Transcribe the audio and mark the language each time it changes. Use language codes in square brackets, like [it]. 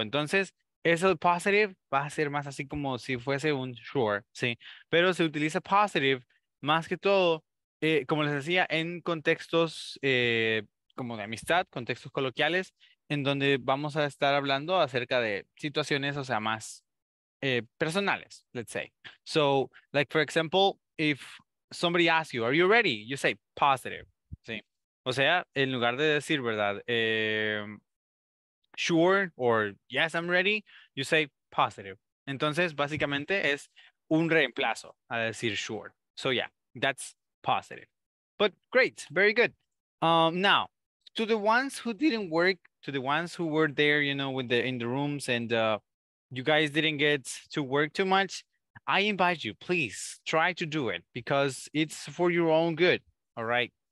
[es] Entonces, eso positive va a ser más así como si fuese un sure, ¿sí? Pero se utiliza positive más que todo como les decía, en contextos como de amistad, contextos coloquiales, en donde vamos a estar hablando acerca de situaciones, o sea, más personales, [en] let's say. So, like, for example, if somebody asks you, are you ready? You say, positive, [es] ¿sí? O sea, en lugar de decir, ¿verdad? [en] Sure, or yes, I'm ready, you say, positive. [es] Entonces, básicamente, es un reemplazo a decir sure. [en] So, yeah, that's positive. But great, very good. Now, to the ones who didn't work, to the ones who were there, you know, with the in the rooms and you guys didn't get to work too much, I invite you, please try to do it because it's for your own good. All right.